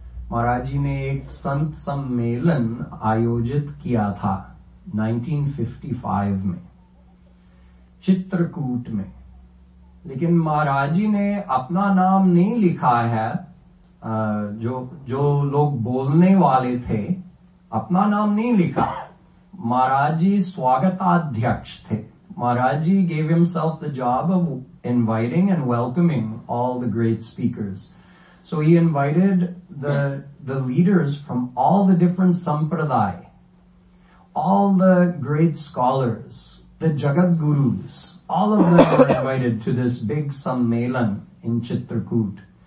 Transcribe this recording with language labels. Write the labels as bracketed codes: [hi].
[hi] Maharaj ji ne ek sant sammelan ayojit kiya tha 1955 mein Chitrakoot mein. Lekin Maharaj ji ne apna naam nahi likha hai, jo log bolne wale the अपना नाम नहीं लिखा। महाराज जी स्वागताध्यक्ष थे। [en] Maharaj ji gave himself the job of inviting and welcoming all the great speakers. So he invited the leaders from all the different sampradaya, all the great scholars, the jagadgurus, all of them were invited to this big sammelan in Chitrakoot.